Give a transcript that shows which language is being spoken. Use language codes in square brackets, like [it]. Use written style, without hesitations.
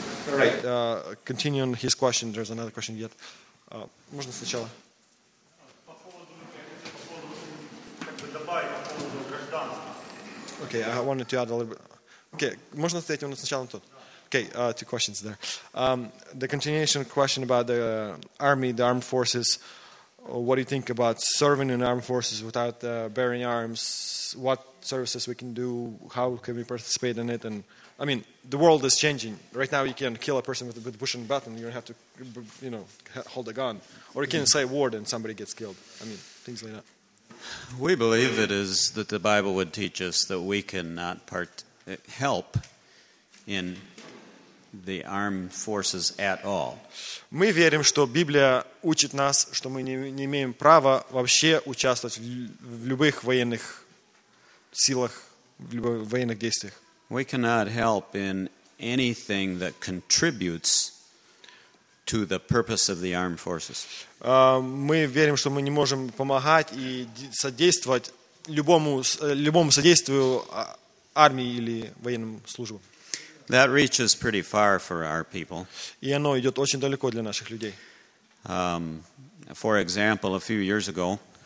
[en] Right. Continue on his question. There's another question yet. [ru] Можно сначала? [en] Okay, I wanted to add a little bit. [ru] Okay, можно ответить на сначала тот. [en] Okay, two questions there. The continuation question about the army, the armed forces. What do you think about serving in armed forces without bearing arms? What services we can do? How can we participate in it? And I mean, the world is changing. Right now, you can kill a person with a push and button. You don't have to, you know, hold a gun, or you can say a word and somebody gets killed. I mean, things like that. We believe it is that the Bible would teach us that we cannot help in the armed forces at all. [ru] Мы верим, что Библия учит нас, что мы не имеем права вообще участвовать в любых военных силах, в любых военных действиях. [en] We cannot help in anything that contributes to the purpose of the armed forces. [ru] Мы верим, что мы не можем помогать и содействовать любому содействию армии или военным службам. [en] That reaches pretty far for our people. [ru] И оно идет очень далеко для наших людей. [en] For example, a few years ago,